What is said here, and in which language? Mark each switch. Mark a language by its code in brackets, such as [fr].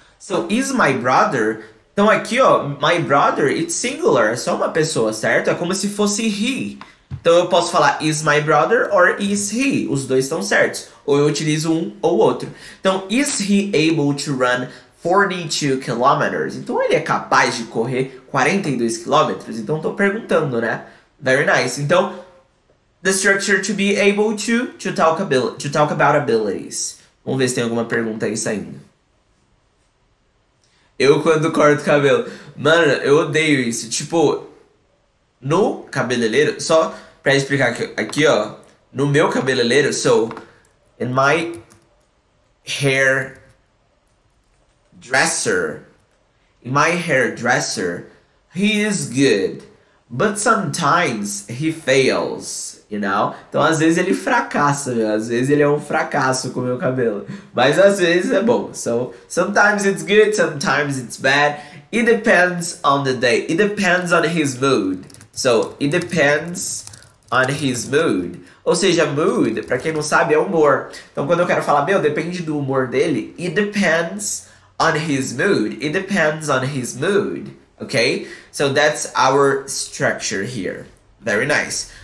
[en] So, is my brother. [pt] Então, aqui, ó, [en] my brother, it's singular, [pt] é só uma pessoa, certo? É como se fosse he. Então, eu posso falar [en] is my brother or is he. [pt] Os dois estão certos. Ou eu utilizo um ou outro. Então, [en] is he able to run 42 kilometers? [pt] Então, ele é capaz de correr 42 quilômetros? Então estou perguntando, né? [en] Very nice. Então, the structure to be able to talk about abilities. [pt] Vamos ver se tem alguma pergunta aí saindo. Eu quando corto cabelo. Mano, eu odeio isso. Tipo, no cabeleireiro, só pra explicar aqui, ó. No meu cabeleireiro, [en] so, in my hair dresser, he is good. But sometimes he fails, you know? [pt] Então às vezes ele fracassa, meu. Às vezes ele é um fracasso com o meu cabelo. Mas às vezes é bom. [en] So, sometimes it's good, sometimes it's bad. It depends on the day. It depends on his mood. So, it depends on his mood. [pt] Ou seja, mood, pra quem não sabe, é humor. Então quando eu quero falar, meu, depende do humor dele. [en] It depends on his mood. It depends on his mood. Okay? So that's our structure here. Very nice.